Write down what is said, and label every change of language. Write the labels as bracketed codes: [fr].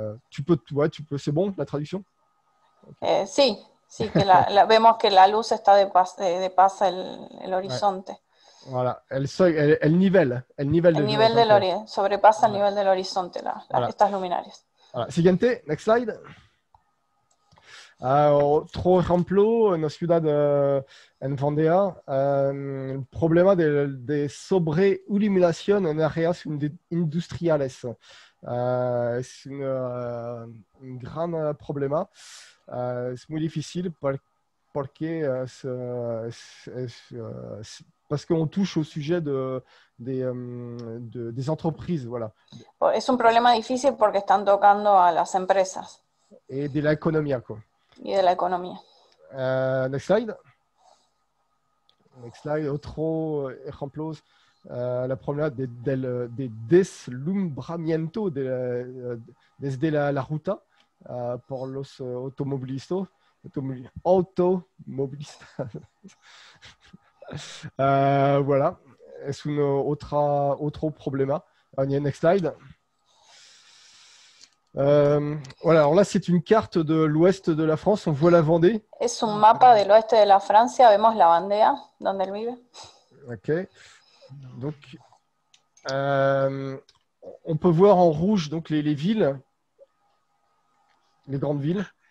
[fr] Tu peux, ouais, tu peux, c'est bon la traduction? [es] Sí, sí que la vemos que la luz está de pasa el horizonte. [fr] Voilà, elle nivelle [es] El nivel del horizonte sobrepasa el [fr] Voilà. [es] nivel del horizonte [fr] Voilà. [es] estas luminarias. [en] Voilà. [es] Siguiente, [en] next slide. [es] Otro ejemplo, en la ciudad en Vendée, el problema de sobreiluminación en áreas industriales. Es un gran problema. Es muy difícil [fr] parce qu'on touche au sujet des entreprises, voilà. [es] Es un problema difícil porque están tocando a las empresas [fr] Et de l'économie, quoi. [es] y de la economía. [en] Next slide. Next slide. [es] Otro ejemplo. La promenade des deslumbramientos desde la ruta por los automobilistas. [fr] Voilà, c'est un autre problème. [en] Next slide. [fr] Voilà, alors là, c'est une carte de l'ouest de la France. On voit la Vendée. [es] Es un mapa de l'ouest de la Francia. Vemos la bandera donde él vive. Ok. [fr] Donc, on peut voir en rouge donc les villes, les grandes villes.